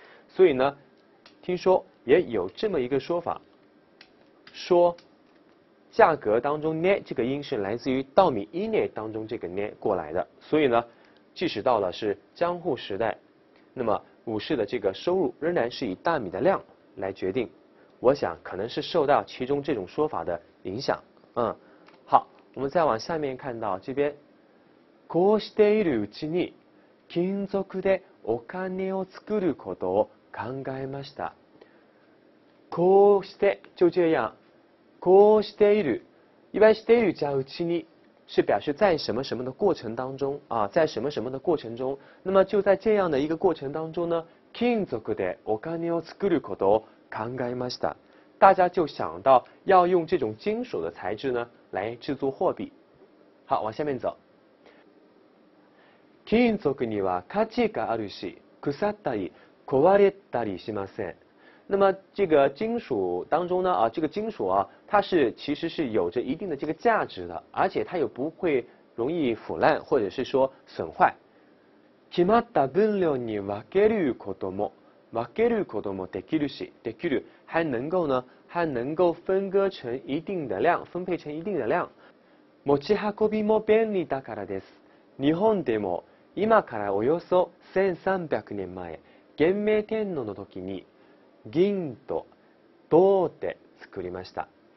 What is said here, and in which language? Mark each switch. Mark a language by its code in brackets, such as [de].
[zh] 所以呢，听说也有这么一个说法，说价格当中捏这个音是来自于稻米一捏当中这个捏过来的。所以呢，即使到了是江户时代，那么武士的这个收入仍然是以大米的量来决定，我想可能是受到其中这种说法的影响。好，我们再往下面看到这边， [ja] こうしているうちに金属でお金を作ることを考えました。こうして [zh] 就这样， [ja] こうしている、 [zh] 一般しているじゃうちに是表示在什么什么的过程当中啊，在什么什么的过程中，那么就在这样的一个过程当中呢， [ja] 金属でお金を作ることを考えました。 [zh] 大家就想到要用这种金属的材质呢来制作货币。好，往下面走， [ja] 金属には価値があるし、腐ったり壊れたりしません。 [zh] 那么这个金属当中呢，这个金属啊，它是其实是有着一定的这个价值的，而且它又不会容易腐烂或者是说损坏。 [ja] 決まった分量に分けることも、分けることもできるし、 [zh] できる还能够呢，还能够分割成一定的量，分配成一定的量。 [ja] 持ち運びも便利だからです。日本でも今からおよそ1300年前、元明天皇の時に銀と銅で作りました。